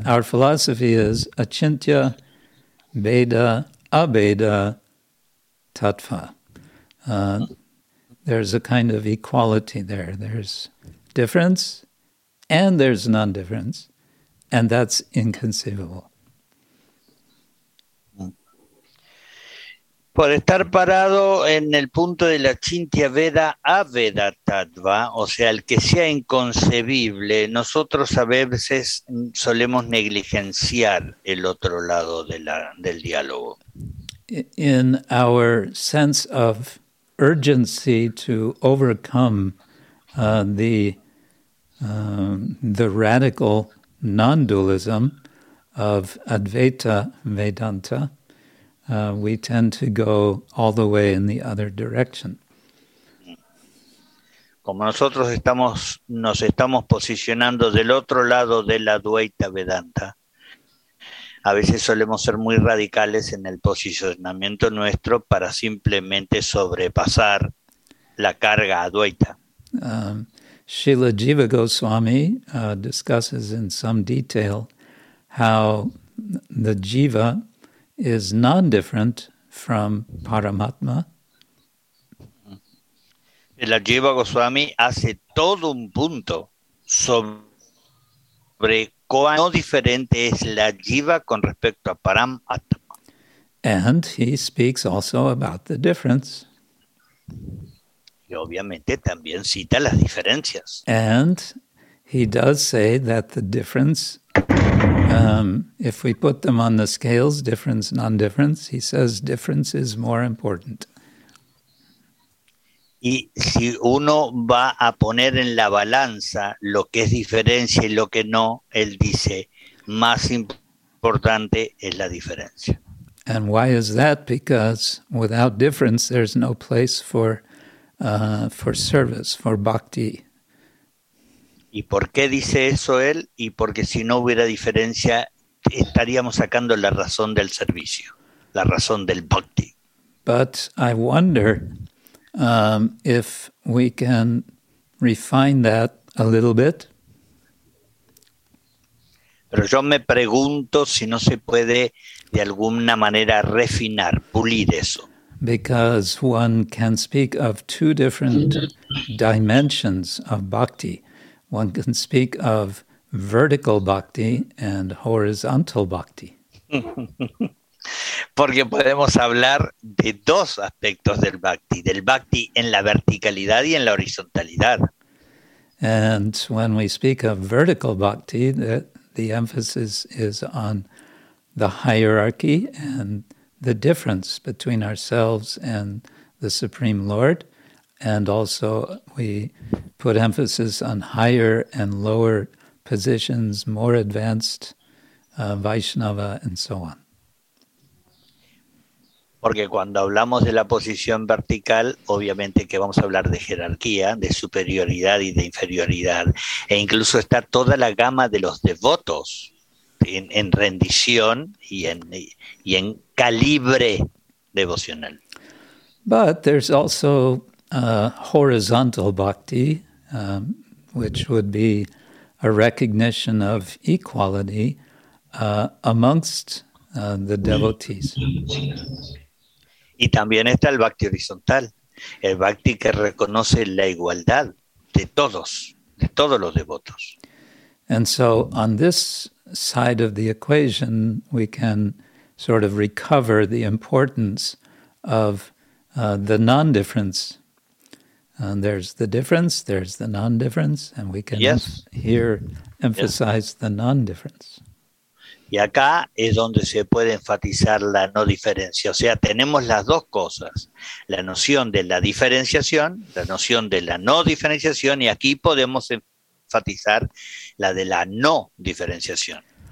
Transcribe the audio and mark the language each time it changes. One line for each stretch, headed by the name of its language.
English: Our philosophy is achintya, bheda, abheda, tattva. There's a kind of equality there. There's difference and there's non-difference, and that's inconceivable.
Spanish: Por estar parado en el punto de la Chintya Veda Aveda Tattva, o sea, el que sea inconcebible, nosotros a veces solemos negligenciar el otro lado del diálogo.
English: In our sense of urgency to overcome the the radical non-dualism of Advaita Vedanta, we tend to go all the way in the other direction.
Spanish: Como nosotros estamos, nos estamos posicionando del otro lado de la Advaita Vedanta, a veces solemos ser muy radicales en el posicionamiento nuestro para simplemente sobrepasar la carga Advaita.
English: Srila Jiva Goswami discusses in some detail how the Jiva is non-different from Paramatma.
Spanish: La Jiva Goswami hace todo un punto sobre cuán diferente es la Jiva con respecto a Paramatma.
English: And he speaks also about the difference.
Spanish: Y obviamente también cita las diferencias.
English: And he does say that the difference, if we put them on the scales, difference, non-difference, he says difference is more important.
Spanish: Y si uno va a poner en la balanza lo que es diferencia y lo que no, él dice, más importante es la diferencia.
English: And why is that? Because without difference, there's no place for service, for bhakti.
Spanish: ¿Y por qué dice eso él? Y porque si no hubiera diferencia, estaríamos sacando la razón del servicio, la razón del bhakti.
English: But I wonder if we can refine that a little bit.
Spanish: Pero yo me pregunto si no se puede de alguna manera refinar, pulir eso.
English: Because one can speak of two different dimensions of bhakti. One can speak of vertical bhakti and horizontal bhakti.
Spanish: Porque podemos hablar de dos aspectos del bhakti en la verticalidad y en la horizontalidad.
English: And when we speak of vertical bhakti, the emphasis is on the hierarchy and the difference between ourselves and the Supreme Lord, and also we put emphasis on higher and lower positions, more advanced Vaishnava, and so on.
Spanish: Porque cuando hablamos de la posición vertical, obviamente que vamos a hablar de jerarquía, de superioridad y de inferioridad, e incluso está toda la gama de los devotos en rendición y en calibre devocional.
English: But there's also horizontal bhakti, which would be a recognition of equality amongst the devotees.
Spanish: Y también está el bhakti horizontal, el bhakti que reconoce la igualdad de todos los devotos.
English: And so on this side of the equation, we can sort of recover the importance of the non-difference. And there's the difference, there's the non-difference, and we can emphasize the non-difference.
Spanish: Y acá es donde se puede enfatizar la no diferencia. O sea, tenemos las dos cosas, la noción de la diferenciación, la noción de la no diferenciación, y aquí podemos enfatizar la de la no diferenciación.